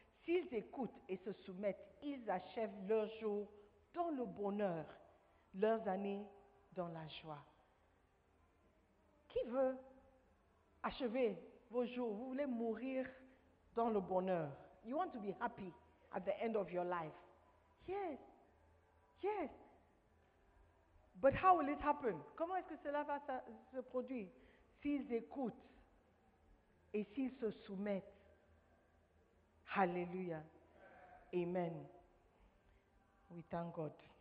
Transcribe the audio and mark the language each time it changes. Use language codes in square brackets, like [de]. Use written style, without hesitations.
[fr] S'ils écoutent et se soumettent, ils achèvent leurs jours dans le bonheur, leurs années dans la joie. Qui veut achever vos jours? Vous voulez mourir dans le bonheur? [en] You want to be happy at the end of your life? Yes. Yes. But how will it happen? [fr] Comment est-ce que cela va se produire? S'ils écoutent et s'ils se soumettent. Hallelujah. Amen. [en] We thank God.